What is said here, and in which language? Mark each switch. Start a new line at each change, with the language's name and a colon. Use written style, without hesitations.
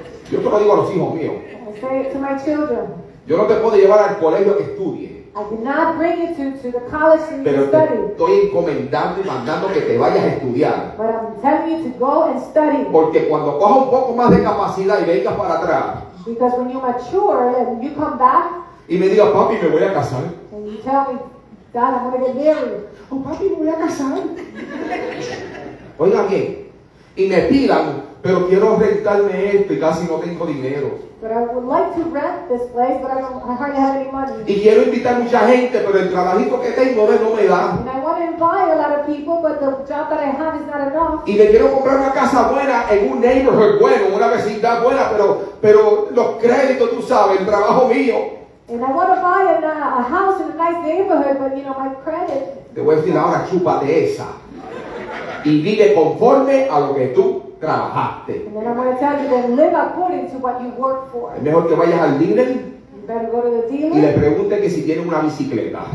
Spanish: Yo te lo digo a los hijos míos.
English: Say it to my children.
Spanish: Yo no te puedo llevar al colegio que estudie.
English: I did not bring you to the college to
Spanish: pero
English: study.
Spanish: Estoy encomendando y mandando que te vayas a estudiar.
English: But I'm telling you to go and study.
Spanish: Porque cuando cojas un poco más de capacidad y vengas para atrás.
English: Because when you mature and you come back.
Spanish: Y me digas, papi, me voy a casar.
English: And you tell me, Dad, I'm going to get married.
Spanish: Oh, papi, me voy a casar. Oiga bien. Y me pidan, pero quiero rentarme esto y casi no tengo dinero.
English: But I would like to rent this place, but I hardly have any money.
Spanish: Y quiero invitar mucha gente, pero el trabajito que tengo no me da.
English: And I want to invite a lot of people, but the job that I have is not enough.
Spanish: Y le quiero comprar una casa buena en un neighborhood bueno, una vecindad buena, pero los créditos, tú sabes, el trabajo mío.
English: And I want to buy a house in a nice neighborhood, but you know, my credit.
Spanish: Te voy a decir ahora, chúpate esa. Y vive conforme a lo que tú trabajaste. Es mejor que vayas al dealer y le pregunte que si tiene una bicicleta.